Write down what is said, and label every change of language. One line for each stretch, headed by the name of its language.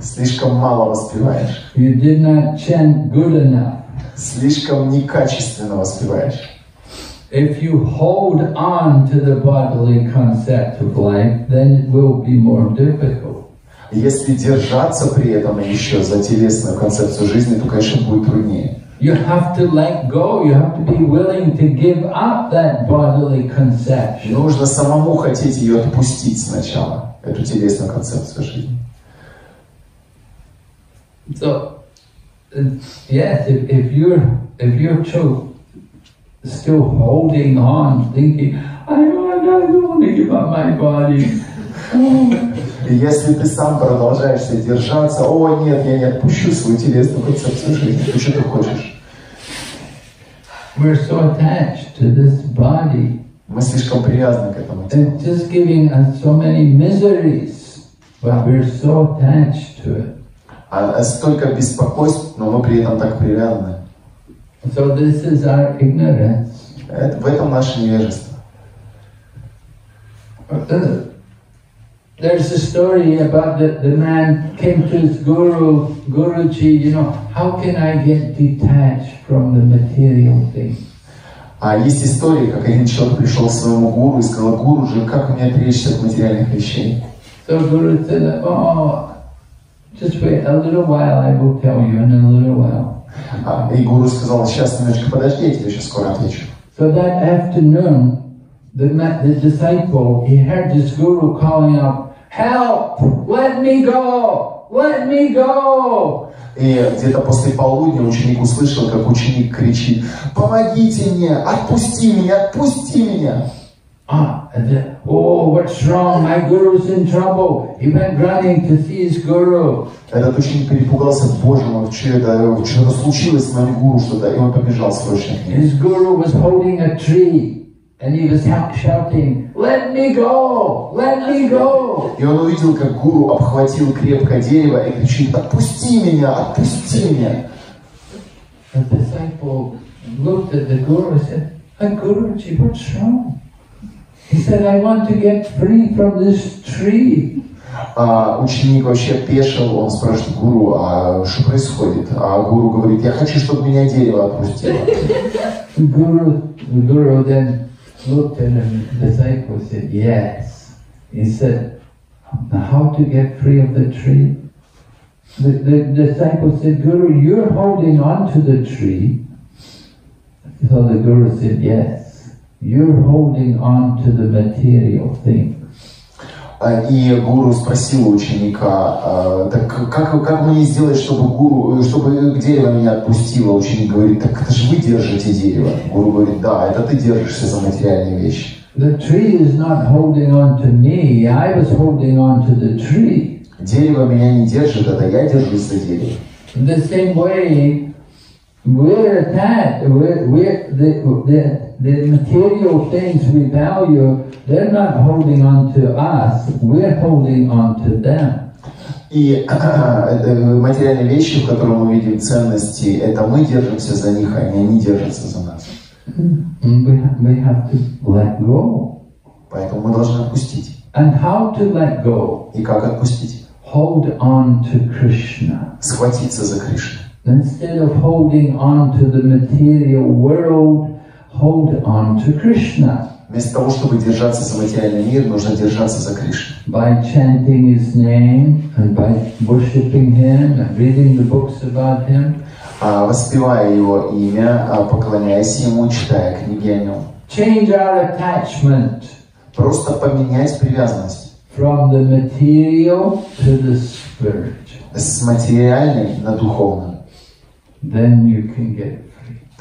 Russian: Слишком мало воспеваешь.
English: You did not chant good enough.
Russian: Слишком некачественно воспеваешь.
English: If you hold on to the bodily concept of life, then it will be more difficult.
Russian: Если держаться при этом еще за телесную концепцию жизни, то, конечно, будет труднее.
English: You have to let go. You have to be willing to give up that bodily conception.
Russian: Нужно самому хотеть ее отпустить сначала, эту телесную концепцию жизни.
English: So, yes, if you're still holding on, thinking, I don't want to give up my body.
Russian: Если ты сам продолжаешься держаться, о нет, я не отпущу свою телесную концепцию жизни. Ты что хочешь?
English: We're so attached to this body.
Russian: Мы слишком привязаны к этому.
English: It's just giving us so many miseries, but we're so attached to it.
Russian: А столько беспокойств, но мы при этом так привязаны.
English: So this is our ignorance.
Russian: В этом наше невежество.
English: There's a story about the man came to his guru, Guruji, you know, how can I get detached from the material things?
Russian: А есть история, как один человек пришел к своему гуру и сказал, Гуруджи, как мне отречься от материальных вещей?
English: So Guru said, oh, just wait a little while, I will tell you in a little while.
Russian: И гуру сказал, сейчас немножко подожди, я тебе сейчас скоро отвечу.
English: So that afternoon, the disciple, he heard this guru calling out, help, let me go, let me go.
Russian: И где-то после полудня ученик услышал, как ученик кричит, помогите мне, отпусти меня, отпусти меня.
English: What's wrong, my guru's in trouble. He went running to see his guru.
Russian: Этот ученик перепугался, боже мой, что-то случилось с моим гуру, что-то, и он побежал срочно.
English: His guru was holding a tree. And he was shouting, "Let me go! Let me go!"
Russian: И он увидел, как гуру обхватил крепко дерево и кричит: "Отпусти меня! Отпусти меня!"
English: The disciple looked at the guru and said, "Hey, Guruji, what's wrong?" He said, "I want to get free from this tree."
Russian: Ученик вообще пешил, он спрашивает гуру, а что происходит? А гуру говорит: "Я хочу, чтобы меня дерево отпустило."
English: Guru then looked at him, the disciple said, yes. He said, how to get free of the tree? The disciple said, Guru, you're holding on to the tree. So the Guru said, yes, you're holding on to the material things.
Russian: И гуру спросил ученика, так как мне сделать, чтобы дерево меня отпустило? Ученик говорит, так это же вы держите дерево. Гуру говорит, да, это ты держишься за материальные вещи.
English: The tree is not holding on to me, I was holding on to the tree.
Russian: Дерево меня не держит, это я держусь за дерево.
English: The same way, we're attached, the material things we value, they're not holding on to us, we're holding on to them.
Russian: И материальные вещи, в которых мы видим ценности, это мы держимся за них, а они держатся за нас.
English: We have to let go.
Russian: Поэтому мы должны отпустить.
English: And how to let go?
Russian: И как отпустить?
English: Hold on to Krishna.
Russian: Схватиться за Кришну.
English: Instead of holding on to the material world, hold on to Krishna.
Russian: Вместо того, чтобы держаться за материальный мир, нужно держаться за Кришну.
English: By chanting His name and by worshiping Him and reading the books about Him.
Russian: Воспевая Его имя, поклоняясь Ему, читая книги о Нем.
English: Change our attachment.
Russian: Просто поменять привязанность.
English: From the material to the spiritual.
Russian: С материальной на духовную.
English: Then you can get free.